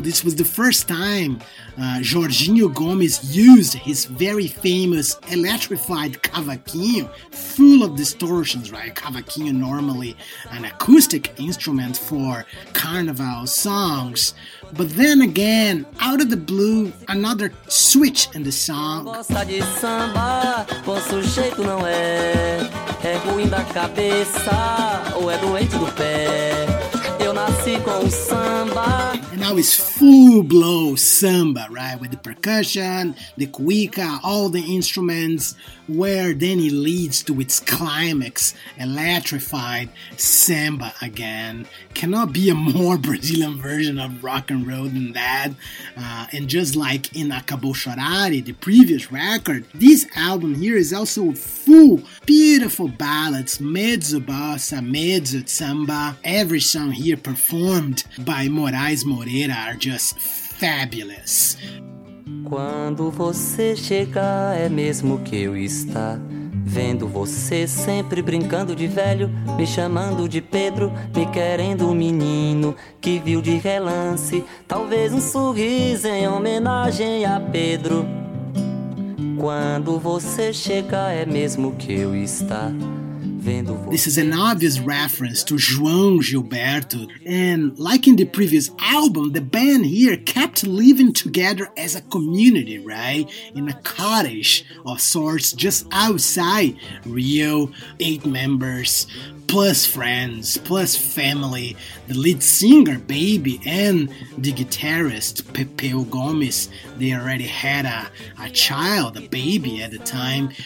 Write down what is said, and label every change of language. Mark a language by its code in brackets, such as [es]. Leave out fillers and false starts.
[en] This was the first time Jorginho Gomes used his very famous electrified cavaquinho, full of distortions, right? Cavaquinho, normally an acoustic instrument for carnival songs. But then again, out of the blue, another switch in the song. [pt] Gosta de samba, com sujeito não é. É ruim da cabeça, ou é doente do pé. Eu nasci com samba. [en] And now it's full-blown samba, right? With the percussion, the cuica, all the instruments, where then it leads to its climax, electrified samba again. Cannot be a more Brazilian version of rock and roll than that. And just like in Acabou Chorari, the previous record, this album here is also full, beautiful ballads, mezzo bossa, mezzo samba. Every song here performed by Moraes Moreira are just fabulous. [pt] Quando você chegar, é mesmo que eu estar vendo você sempre brincando de velho, me chamando de Pedro, me querendo um menino que viu de relance, talvez um sorriso em homenagem a Pedro. Quando você chegar, é mesmo que eu estar. [en] This is an obvious reference to João Gilberto, and like in the previous album, the band here kept living together as a community, right? In a cottage of sorts, just outside Rio, 8 members, plus friends, plus family, the lead singer, Baby, and the guitarist, Pepeu Gomes, they already had a child, a baby at the time.